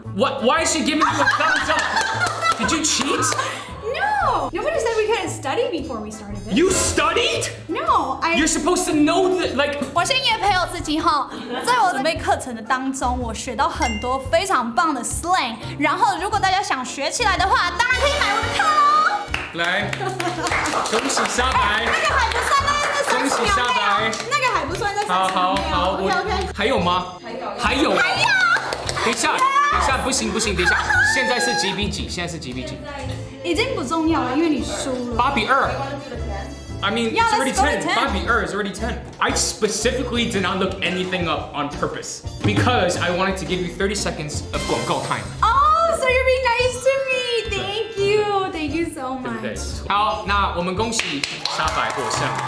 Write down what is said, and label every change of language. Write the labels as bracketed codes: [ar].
[en] Why is she giving you a thumbs up? Did you cheat? No. Nobody said we couldn't study before we started this. You studied? No. You're supposed to know that, like. [zh] 我先业配我自己哈，在我准备课程的当中，我学到很多非常棒的 slang. 然后，如果大家想学起来的话，当然可以买我的课喽。来，恭喜莎白。那个还不算在上面。好。还有吗？还有。等一下，不行，等一下，现在是几比几？现在是几比几？ [en] 8-2. I mean, yeah, it's already 10. 5-2 is already 10. I specifically did not look anything up on purpose because I wanted to give you 30 seconds of 广告 time. Oh, so you're being nice to me. Thank you so much. [zh] 好，那我们恭喜莎白获胜。